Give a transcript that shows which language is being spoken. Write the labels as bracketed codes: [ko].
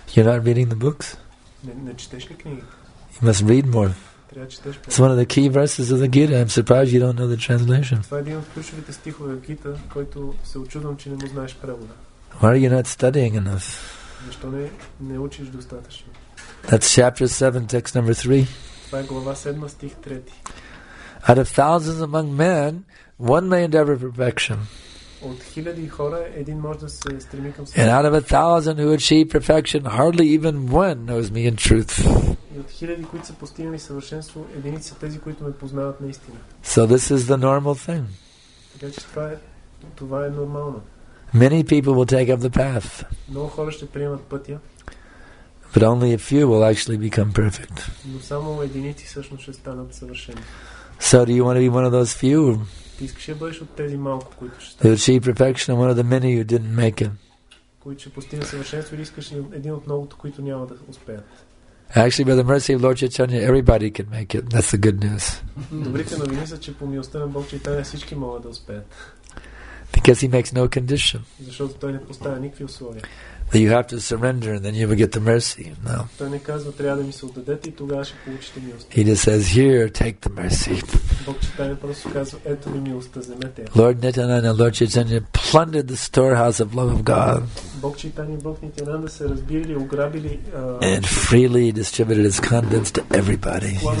[en] You're not reading the books? [bg] Не четеш ли книги? [en] You must read more. It's one of the key verses of the Gita. I'm surprised you don't know the translation. [bg] Това е един от ключовите стихове в Гита, който се очудвам, че не му знаеш превода. [en] Why are you not studying enough? [bg] Защо не учиш достатъчно? [en] That's chapter 7, text number 3. [bg] Това е глава 7, стих 3. [en] Out of thousands among men, one may endeavor perfection. [bg] От хиляди хора един може да се стреми към свят. [en] And out of a thousand who achieve perfection, hardly even one knows me in truth. [bg] И от хиляди, които са постигнали съвършенство, единици са тези, които ме познават наистина. [en] So this is the normal thing. [bg] Така че това е нормално. [en] Many people will take up the path. [bg] Много хора ще приемат пътя. [en] But only a few will actually become perfect. [bg] Но само единици всъщност ще станат съвършени. [en] So do you want to be one of those few? [bg] Ти искаш ли да бъдеш от тези малко, които ще станат? [en] To achieve perfection and one of the many who didn't make it. [bg] Които ще постигнат съвършенство или искаш един от многото, които няма да успеят? [en] Actually, by the mercy of Lord Chaitanya, everybody can make it. That's the good news. [bg] Добрите новини са, че по милостта на Бог Чайтанья всички могат да успеят. [en] Because he makes no condition. [bg] Защото той не поставя никакви условия. [en] That you have to surrender and then you will get the mercy. No. [bg] Той не казва, трябва да ми се отдадете и тогава ще получите милост. [en] He just says, here, take the mercy. [bg] Бог Чайтанья просто казва, ето ми милостта, вземете. [en] Lord Nityananda and Lord Chaitanya plundered the storehouse of love of God. [bg] Бог Чайтанья и Бог Нитянанда се разбили, ограбили. [en] And freely distributed his contents to everybody.